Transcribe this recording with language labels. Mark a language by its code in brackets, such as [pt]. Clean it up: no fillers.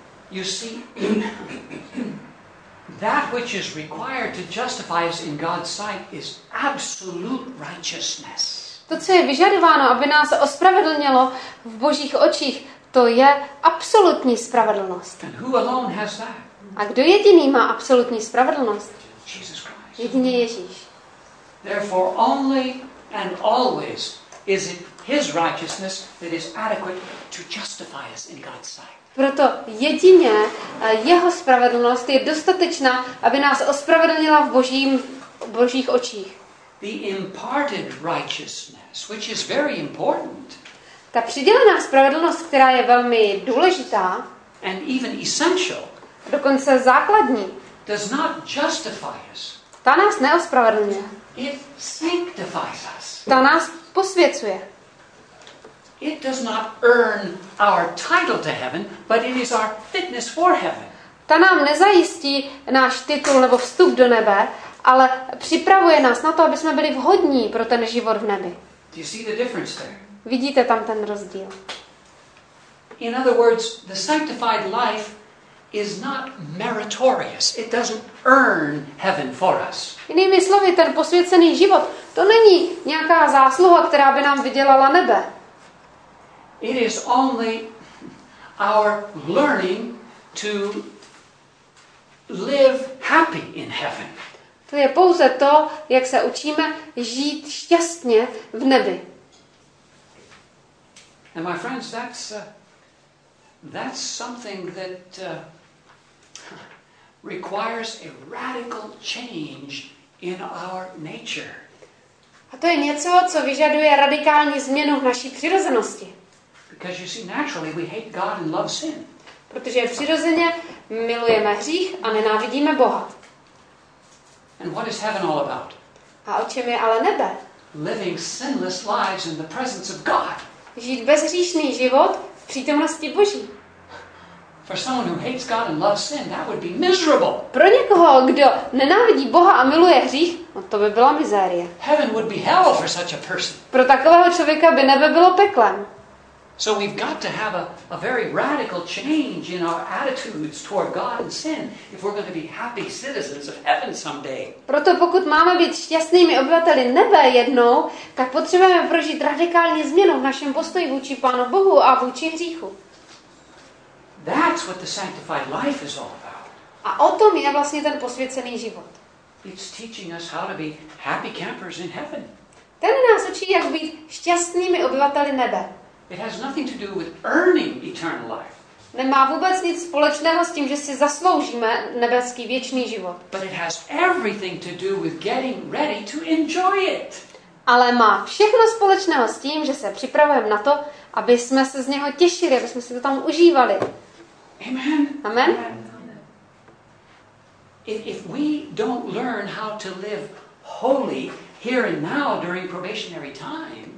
[en] You see, that which is required to justify us in God's sight is absolute righteousness. [cs] To, co je vyžadováno, aby nás ospravedlnilo v Božích očích, to je absolutní spravedlnost. [en] And who alone has that? [cs] A kdo jediný má absolutní spravedlnost? [en] Jesus Christ. [cs] Jedině Ježíš. [en] Therefore only and always is it his righteousness that is adequate to justify us in God's sight. [cs] Proto jedině jeho spravedlnost je dostatečná, aby nás ospravedlnila v Božích očích. [en] the imparted righteousness, which is very important. [cs] Ta přidělená spravedlnost, která je velmi důležitá, [en] and even essential, [cs] dokonce základní, [en] does not justify us. [cs] Ta nás neospravedlňuje. [en] It sanctifies us. [cs] Ta nás posvěcuje. [en] It does not earn our title to heaven, but it is our fitness for heaven. [cs] Ta nám nezajistí náš titul nebo vstup do nebe, ale připravuje nás na to, aby jsme byli vhodní pro ten život v nebi. [en] Do you see the difference there? [cs] Vidíte tam ten rozdíl? [en] In other words, the sanctified life is not meritorious. It doesn't earn heaven for us. [cs] Jinými slovy, ten posvěcený život, to není nějaká zásluha, která by nám vydělala nebe. [en] It is only our learning to live happy in heaven. [cs] To je pouze to, jak se učíme žít šťastně v nebi. [en] And my friends, that's something that requires a radical change in our nature. [cs] A to je něco, co vyžaduje radikální změnu v naší přirozenosti. [en] Because you see, naturally we hate God and love sin. [cs] Protože přirozeně milujeme hřích a nenávidíme Boha. [en] And what is heaven all about? [cs] A o čem je ale nebe? [en] Living sinless lives in the presence of God. [cs] Žít bezhříšný život v přítomnosti Boží. [en] For someone who hates God and loves sin, that would be miserable. [cs] Pro někoho, kdo nenávidí Boha a miluje hřích, to by byla mizérie. [en] Heaven would be hell for such a person. [cs] Pro takového člověka by nebe bylo peklem. [en] So we've got to have a very radical change in our attitudes toward God and sin if we're going to be happy citizens of heaven someday. [cs] Proto pokud máme být šťastnými obyvateli nebe jednou, tak potřebujeme prožít radikální změnu v našem postoji vůči Pánu Bohu a vůči hříchu. [en] That's what the sanctified life is all about. [cs] A o tom je vlastně ten posvěcený život. [en] It's teaching us how to be happy campers in heaven. [cs] Ten nás učí, jak být šťastnými obyvateli nebe. [en] It has nothing to do with earning eternal life. [cs] Nemá vůbec nic společného s tím, že si zasloužíme nebeský věčný život. [en] But it has everything to do with getting ready to enjoy it. [cs] Ale má všechno společného s tím, že se připravujeme na to, aby jsme se z něho těšili, aby jsme si to tam užívali. [en] Amen. [cs] Amen. [en] If we don't learn how to live holy here and now during probationary time,